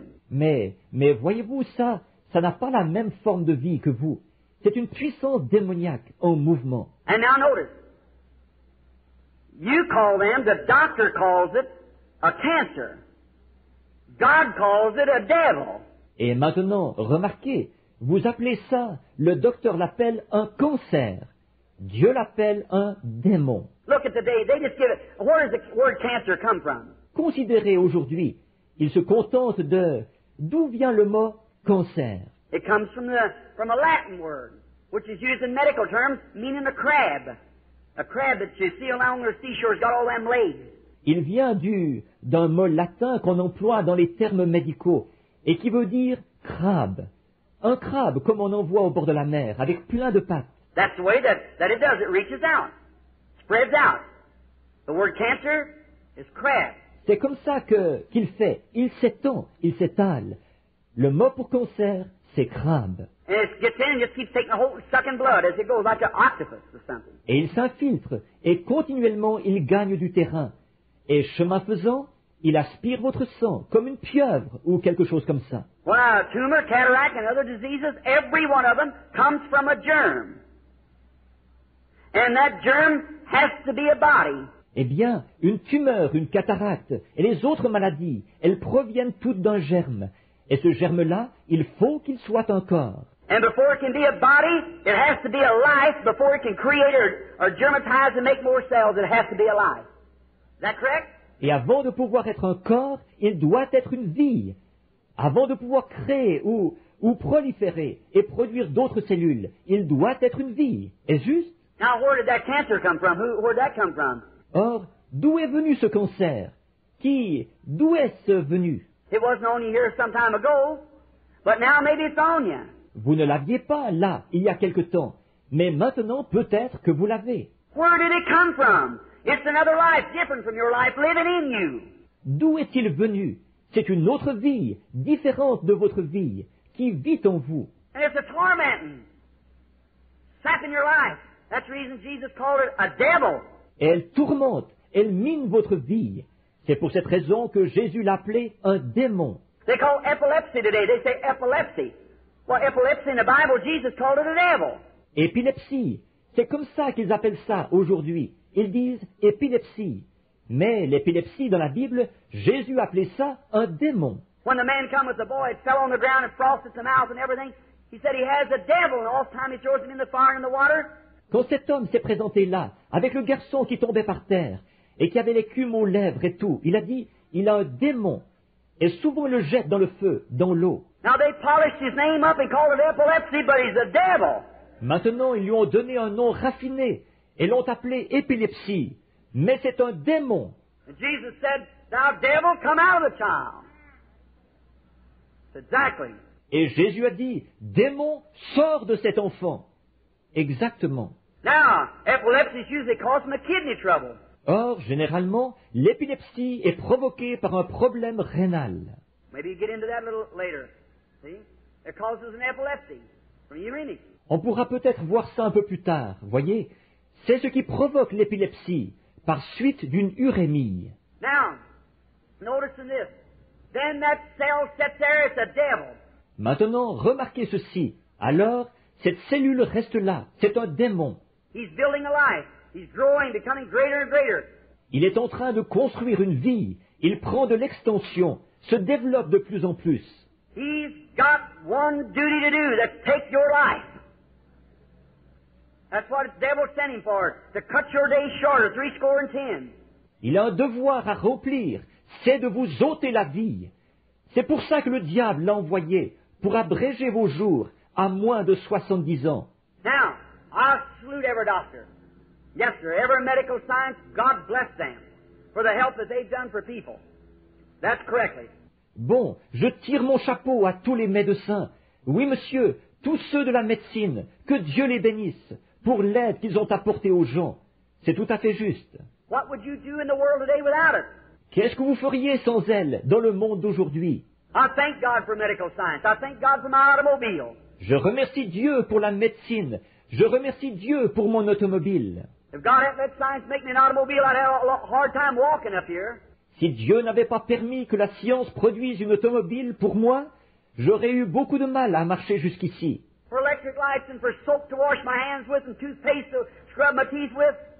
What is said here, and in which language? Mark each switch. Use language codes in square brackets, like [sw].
[fr] Mais voyez-vous ça n'a pas la même forme de vie que vous. C'est une puissance démoniaque en mouvement. [en] And now notice, you call them, the doctor calls it a cancer. God calls it a devil. [fr] Et maintenant, remarquez, Vous appelez ça, le docteur l'appelle un cancer. Dieu l'appelle un démon. [en] Look at today, they just give it, where does the word cancer come from? [fr] Considérez aujourd'hui, ils se contentent de, d'où vient le mot cancer? [en] It comes from a Latin word, which is used in medical terms, meaning a crab. A crab that you see along the seashore has got all them legs. [fr] Il vient d'un mot latin qu'on emploie dans les termes médicaux, et qui veut dire crabe. Un crabe, comme on en voit au bord de la mer, avec plein de pattes. [en] That's the way that it does. It reaches out, spreads out. The word cancer is crab. [fr] C'est comme ça qu'il fait. Il s'étend, il s'étale. Le mot pour cancer, c'est crabe. [en] And it gets in and just keeps taking a whole sucking blood as it goes like an octopus or something. [fr] Et il s'infiltre et continuellement il gagne du terrain. Et chemin faisant, il aspire votre sang comme une pieuvre ou quelque chose comme ça. [en] Wow, tumor, cataract, and other diseases, every one of them comes from a germ. And that germ has to be a body. [fr] Eh bien, une tumeur, une cataracte et les autres maladies, elles proviennent toutes d'un germe. Et ce germe-là, il faut qu'il soit un corps. [en] And before it can be a body, it has to be a life. Before it can create or germatize and make more cells, it has to be alive. Is that correct? [fr] Et avant de pouvoir être un corps, il doit être une vie. Avant de pouvoir créer ou proliférer et produire d'autres cellules, il doit être une vie. Est-ce juste? [en] Now, where did that cancer come from? Where did that come from? [fr] Or, d'où est venu ce cancer? D'où est-ce venu? [en] It wasn't only here some time ago, but now maybe it's on you. [fr] Vous ne l'aviez pas là, il y a quelque temps, mais maintenant peut-être que vous l'avez. [en] Where did it come from? It's another life, different from your life, living in you. [fr] D'où est-il venu? C'est une autre vie, différente de votre vie, qui vit en vous. [en] And it's a tormenting, sapping your life. That's the reason Jesus called it a devil. [fr] Elle tourmente, elle mine votre vie. C'est pour cette raison que Jésus l'appelait un démon. [en] They call epilepsy today. They say epilepsy. Well, epilepsy in the Bible, Jesus called it a devil. [fr] Épilepsie. C'est comme ça qu'ils appellent ça aujourd'hui. Ils disent épilepsie. Mais l'épilepsie dans la Bible, Jésus appelait ça un démon. [en] When the man come with the boy, it fell on the ground and frosted the mouth and everything. He said he has a devil and all the time he throws him in the fire and the water. [fr] Quand cet homme s'est présenté là, avec le garçon qui tombait par terre, et qui avait l'écume aux lèvres et tout, il a dit, il a un démon, et souvent le jette dans le feu, dans l'eau. [en] Now they polished his name up and called it epilepsy, but he's a devil. [fr] Maintenant, ils lui ont donné un nom raffiné, et l'ont appelé épilepsie, mais c'est un démon. [en] And Jesus said, thou devil, come out of the child. Exactly. [fr] Et Jésus a dit, démon, sors de cet enfant. Exactement. [en] Now, epilepsy is usually caused from a kidney trouble. [fr] Or, généralement, l'épilepsie est provoquée par un problème rénal. [en] Maybe you get into that a little later. See? It causes an epilepsy from urinary. [fr] On pourra peut-être voir ça un peu plus tard. Voyez, c'est ce qui provoque l'épilepsie par suite d'une urémie. [en] Now, notice this. Then that cell sits there, it's a devil. [fr] Maintenant, remarquez ceci. Alors, cette cellule reste là. C'est un démon. [en] He's building a life. He's growing, becoming greater and greater. [fr] Il est en train de construire une vie. Il prend de l'extension, se développe de plus en plus. [en] He's got one duty to do, that's take your life. That's what the devil sent him for, to cut your days shorter, 70. [fr] Il a un devoir à remplir, c'est de vous ôter la vie. C'est pour ça que le diable l'a envoyé, pour abréger vos jours à moins de 70 ans. [en] Now, I salute every doctor. Yes, sir, every medical science, God bless them for the help that they've done for people. That's correctly. [fr] Bon, je tire mon chapeau à tous les médecins. Oui, monsieur, tous ceux de la médecine, que Dieu les bénisse pour l'aide qu'ils ont apportée aux gens. C'est tout à fait juste. [en] What would you do in the world today without it? [fr] Qu'est-ce que vous feriez sans elle dans le monde d'aujourd'hui? [en] I thank God for medical science. I thank God for my automobile. [fr] Je remercie Dieu pour la médecine. Je remercie Dieu pour mon automobile. [en] If God hadn't let science make me an automobile, I'd have a hard time walking up here. [fr] Si Dieu n'avait pas permis que la science produise une automobile pour moi, j'aurais eu beaucoup de mal à marcher jusqu'ici. [en] For electric lights and for soap to wash my hands with and toothpaste to scrub my teeth with.